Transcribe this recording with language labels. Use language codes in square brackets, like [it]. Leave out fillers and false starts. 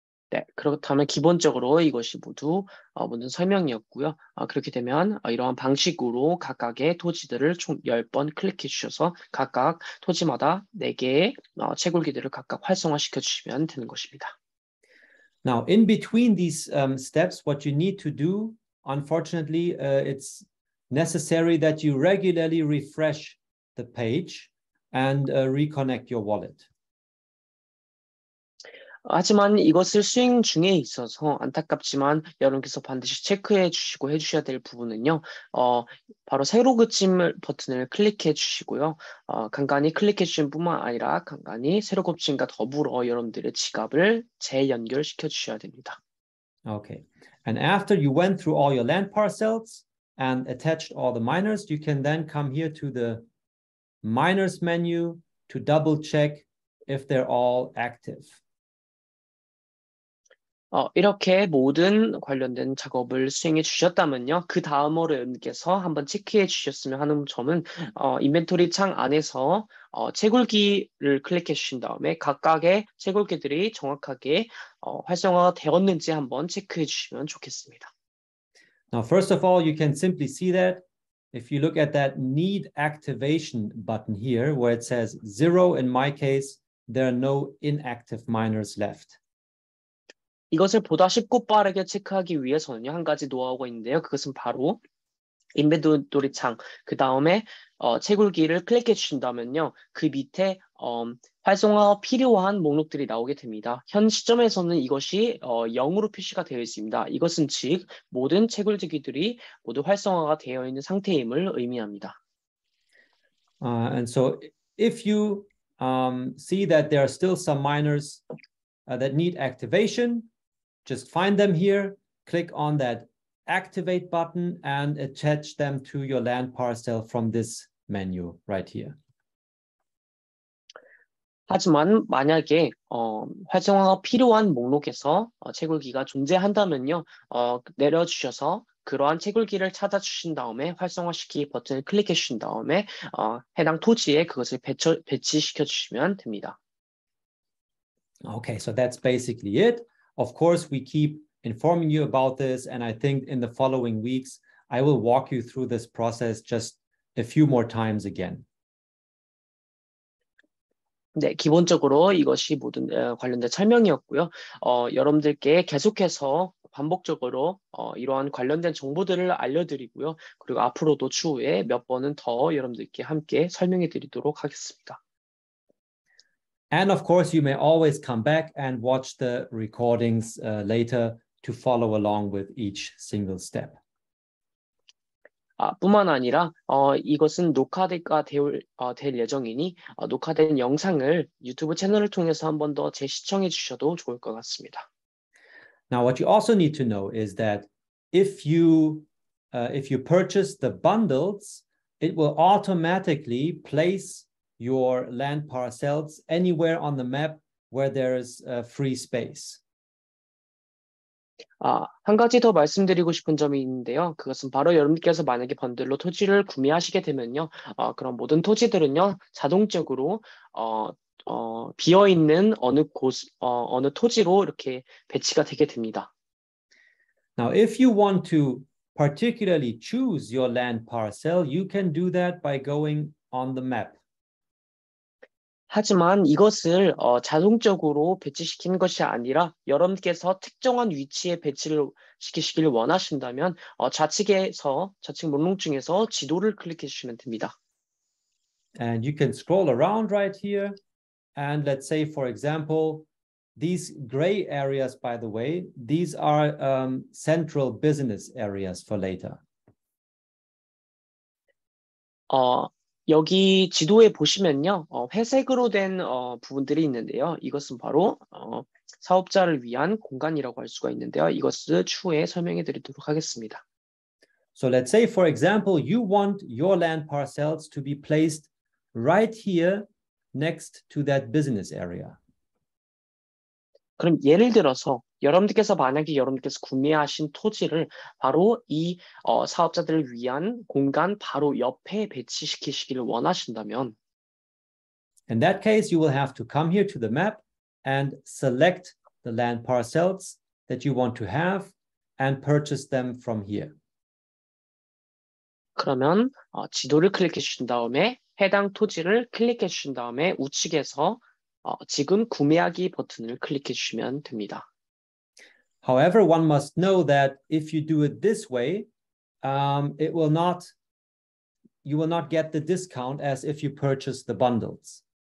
[ko] 네, 그렇다면 기본적으로 이것이 모두 모든 설명이었고요. 그렇게 되면 이러한 방식으로 각각의 토지들을 총 10번 클릭해 주셔서 각각 토지마다 4개의 채굴기들을 각각 활성화시켜 주시면 되는 것입니다. [en] Now, in between these steps, what you need to do, unfortunately, it's necessary that you regularly refresh the page and reconnect your wallet. [ko] 하지만 이것을 수행 중에 있어서 안타깝지만 여러분께서 반드시 체크해 주시고 해주셔야 될 부분은요. 바로 새로 고침 버튼을 클릭해 주시고요. 간간히 클릭해 주신 뿐만 아니라 간간히 새로 고침과 더불어 여러분들의 지갑을 재연결시켜 주셔야 됩니다. [en] Okay. And after you went through all your land parcels and attached all the miners, you can then come here to the miners menu to double check if they're all active. [ko] 이렇게 모든 관련된 작업을 수행해 주셨다면요. 그 다음으로 여러분께서 한번 체크해 주셨으면 하는 점은 인벤토리 창 안에서 채굴기를 클릭해 주신 다음에 각각의 채굴기들이 정확하게 활성화가 되었는지 한번 체크해 주시면 좋겠습니다. [en] Now, first of all, you can simply see that if you look at that need activation button here where it says zero in my case, There are no inactive miners left. [ko] 이것을 보다 쉽고 빠르게 체크하기 위해서는요, 한 가지 노하우가 있는데요. 그것은 바로 인벤토리 창, 그 다음에 채굴기를 클릭해 주신다면요, 그 밑에 활성화 필요한 목록들이 나오게 됩니다. 현 시점에서는 이것이 0으로 표시가 되어 있습니다. 이것은 즉 모든 채굴기들이 모두 활성화가 되어 있는 상태임을 의미합니다. [en] And so if you see that there are still some miners that need activation, just find them here, click on that activate button and attach them to your land parcel from this menu right here. [ko] 하지만 만약에 활성화가 필요한 목록에서 채굴기가 존재한다면요, 내려주셔서 그러한 채굴기를 찾아주신 다음에 활성화시키기 버튼을 클릭해 주신 다음에 해당 토지에 그것을 배치시켜 주시면 됩니다. [en] Okay, so that's basically it. Of course, we keep informing you about this, and I think in the following weeks, I will walk you through this process just a few more times again. [ko] 네, 기본적으로 이것이 모든 관련된 설명이었고요. 여러분들께 계속해서 반복적으로 이러한 관련된 정보들을 알려드리고요. 그리고 앞으로도 추후에 몇 번은 더 여러분들께 함께 설명해 드리도록 하겠습니다. [en] And of course, you may always come back and watch the recordings later to follow along with each single step. [ko] 뿐만 아니라 이것은 녹화가 될 예정이니 녹화된 영상을 유튜브 채널을 통해서 한 번 더 재시청해 주셔도 좋을 것 같습니다. [en] Now, what you also need to know is that if you purchase the bundles, it will automatically place your land parcels anywhere on the map where there is a free space. [ko] 한 가지 더 말씀드리고 싶은 점이 있는데요. 그것은 바로 여러분께서 만약에 번들로 토지를 구매하시게 되면요. 그런 모든 토지들은요, 자동적으로 비어 있는 어느 토지로 이렇게 배치가 되게 됩니다. [en] Now, if you want to particularly choose your land parcel, you can do that by going on the map. [ko] 하지만 이것을 자동적으로 배치시키는 것이 아니라 여러분께서 특정한 위치에 배치를 시키시길 원하신다면 좌측 목록 중에서 지도를 클릭해 주시면 됩니다. [en] And you can scroll around right here. And let's say, for example, these gray areas, by the way, these are central business areas for later. [ko] 여기 지도에 보시면요, 회색으로 된 부분들이 있는데요. 이것은 바로 사업자를 위한 공간이라고 할 수가 있는데요. 이것을 추후에 설명해 드리도록 하겠습니다. [en] So let's say, for example, you want your land parcels to be placed right here next to that business area. [ko] 그럼 예를 들어서 여러분들께서 만약에 여러분께서 구매하신 토지를 바로 이 사업자들을 위한 공간 바로 옆에 배치시키시기를 원하신다면 [en] In that case, you will have to come here to the map and select the land parcels that you want to have and purchase them from here. [ko] 그러면 지도를 클릭해 주신 다음에 해당 토지를 클릭해 주신 다음에 우측에서 지금 구매하기 버튼을 클릭해 주시면 됩니다. [en] However, one must know that if you do it this way, you will not get the discount as if you purchase the bundles.